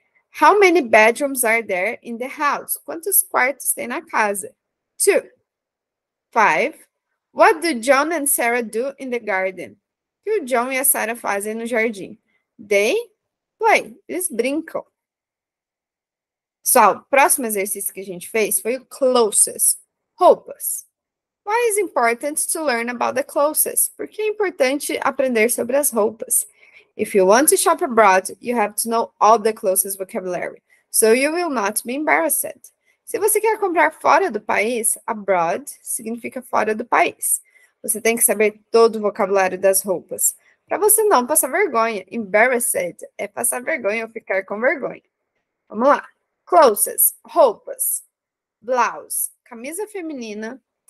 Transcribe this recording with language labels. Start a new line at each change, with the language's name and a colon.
English: How many bedrooms are there in the house?
Portuguese: Quantos quartos tem na casa?
English: 2. 5. What do John and Sarah do in the garden?
Portuguese: O que o John e a Sarah fazem no jardim?
English: They play.
Portuguese: Eles brincam. Pessoal, o próximo exercício que a gente fez foi o clothes. Roupas.
English: Why is important to learn about the clothes?
Portuguese: Por que é importante aprender sobre as roupas?
English: If you want to shop abroad, you have to know all the clothes vocabulary, so you will not be embarrassed.
Portuguese: Se você quer comprar fora do país, abroad significa fora do país. Você tem que saber todo o vocabulário das roupas, para você não passar vergonha. Embarrassed é passar vergonha ou ficar com vergonha. Vamos lá. Clothes, roupas. Blouse, camisa feminina.